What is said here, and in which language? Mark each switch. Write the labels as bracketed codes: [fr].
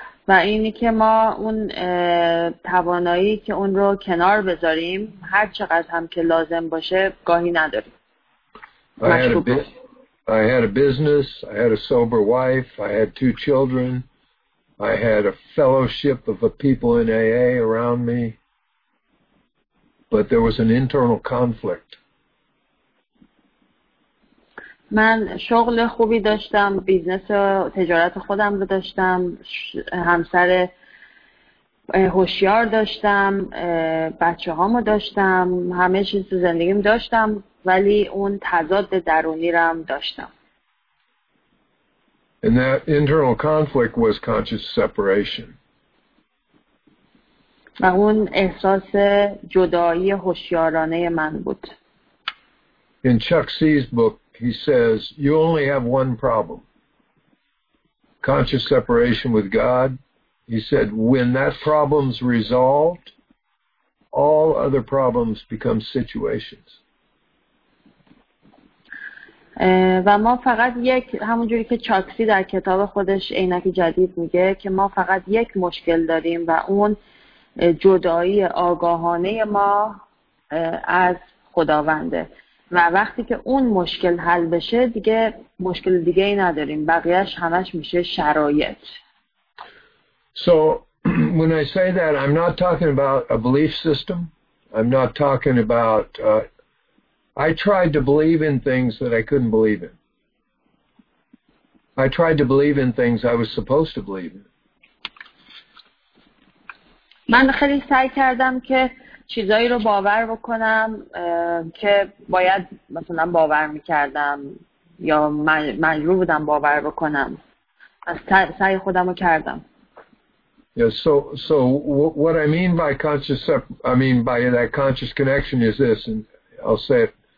[fa] و اینی که ما اون توانایی که اون رو کنار بذاریم، هر چقدر هم که لازم باشه، گاهی نداریم. [en] I had a business, I had a sober wife, I had two children, I had a fellowship of the people in AA around me, but there was an internal conflict. [fa] من شغل خوبی داشتم، بیزنس و تجارت خودم رو داشتم، همسر هوشیار داشتم، بچه هامو داشتم، همه چیز تو زندگیم داشتم، ولی اون تضاد درونی رم داشتم. [en] And that internal conflict was conscious separation. [fa] و اون احساس جدایی هوشیارانه من بود. [en] In Chuck C's book, he says, you only have one problem. Conscious separation with God. He said, when that problem's resolved, all other problems become situations. [fa] و ما فقط یک، همون جوری که چاکسی در کتاب خودش عینک جدید میگه، که ما فقط یک مشکل داریم و اون جدایی آگاهانه ما از خداونده، و وقتی که اون مشکل حل بشه دیگه مشکل دیگه ای نداریم، بقیهش همش میشه شرایط. [en] So when I say that, I'm not talking about a belief system. I'm not talking about I tried to believe in things that I couldn't believe in. I tried to believe in things I was supposed to believe in. [fa] من خیلی سعی کردم که چیزایی رو باور بکنم که باید مثلا باور میکردم یا مجبور بودم باور بکنم. از سعی خودم رو کردم. [en] Yeah, so what I mean by conscious, I mean by that conscious connection is this, and I'll say it.